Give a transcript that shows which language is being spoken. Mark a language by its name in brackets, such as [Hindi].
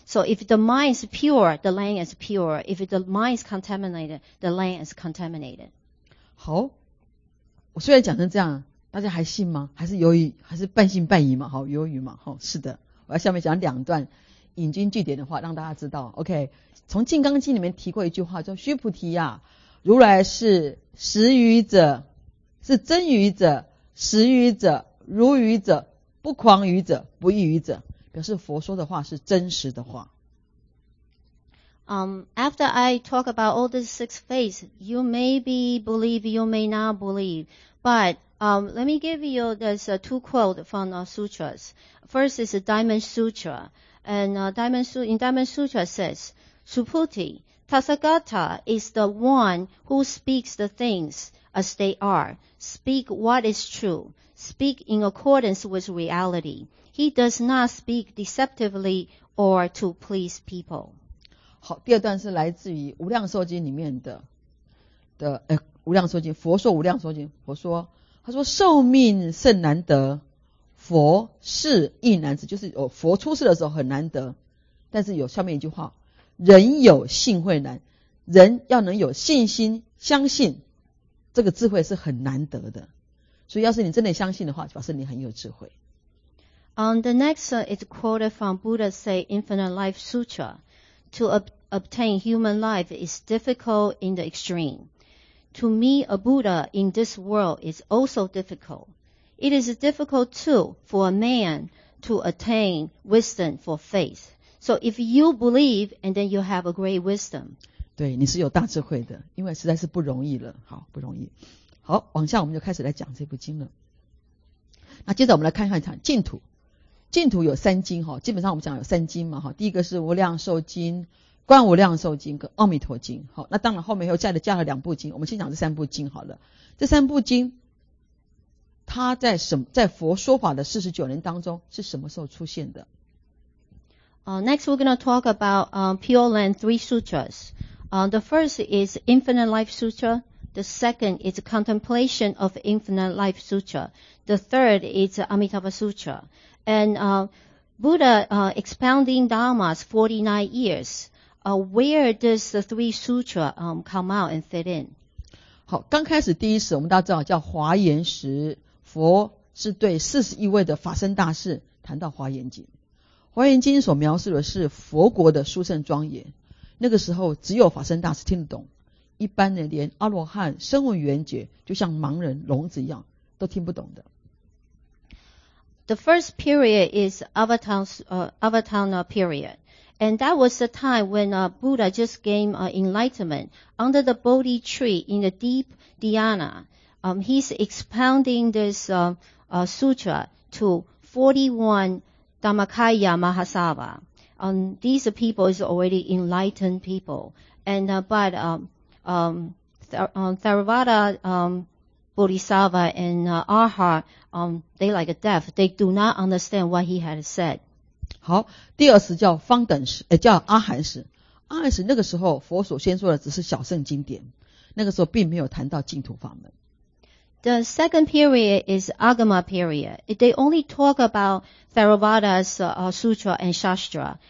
[English] So if the mind is pure, the land is pure. If the mind is contaminated, the land is contaminated. [Chinese] 好。我虽然讲成这样，大家还信吗？还是犹豫？还是半信半疑嘛？好，犹豫嘛？好，是的。我要下面讲两段引经据典的话，让大家知道。 OK， 从《金刚经》里面提过一句话，叫“须菩提呀，如来是实语者，是真语者，实语者，如语者，不狂语者，不异语者”，表示佛说的话是真实的话。 [English] After I talk about all these six faiths, you may be believe, you may not believe. But let me give you this two quotes from the sutras. First is the Diamond Sutra. And Diamond Sutra says, Suputi, Tathagata is the one who speaks the things as they are. Speak what is true. Speak in accordance with reality. He does not speak deceptively or to please people. [Chinese] 好，第二段是来自于《无量寿经》里面的《无量寿经》，佛说《无量寿经》，佛说，他说寿命甚难得，佛世亦难知，就是有佛出世的时候很难得，但是有下面一句话，人有信会难，人要能有信心相信，这个智慧是很难得的，所以要是你真的相信的话，表示你很有智慧。 [English] The next is quoted from Buddha say Infinite Life Sutra. To obtain human life is difficult in the extreme. To meet a Buddha in this world is also difficult. It is difficult too for a man to attain wisdom for faith. So if you believe and then you have a great wisdom. [Chinese] 对，你是有大智慧的，因为实在是不容易了。好，不容易。好，往下我们就开始来讲这部经了。那接着我们来看看讲净土。净土有三经，基本上我们讲有三经嘛，第一个是无量寿经、观无量寿经跟阿弥陀经，那当然后面又加了两部经，我们先讲这三部经好了。这三部经它在什么，在佛说法的49年当中是什么时候出现的？ [English] Next we're going to talk about Pure Land Three Sutras. The first is Infinite Life SutraThe second is Contemplation of Infinite Life Sutra. The third is Amitabha Sutra. And Buddha expounding Dharmas 49 years. Where does the three sutra come out and fit in? [Chinese] 好，刚开始第一时我们大家知道叫华严时，佛是对41位的法身大士谈到华严经。华严经所描述的是佛国的殊胜庄严，那个时候只有法身大士听得懂，一般的连阿罗汉声闻缘觉就像盲人聋子一样都听不懂的。 [English] The first period is Avatana period. And that was the time when Buddha just gained enlightenment under the Bodhi tree in the deep dhyana. He's expounding this sutra to 41 Dhammakaya Mahasava. These people is already enlightened people. Theravada Bodhisattva and Arhat, they like a deaf. They do not understand what he had said. [Chinese] 好，第二时叫方等时，叫阿含时。阿含时那个时候，佛所先说的只是小圣经典，那个时候并没有谈到净土法门。 [English] The second period is Agama period. They only talk about Theravada's sutra and shastra.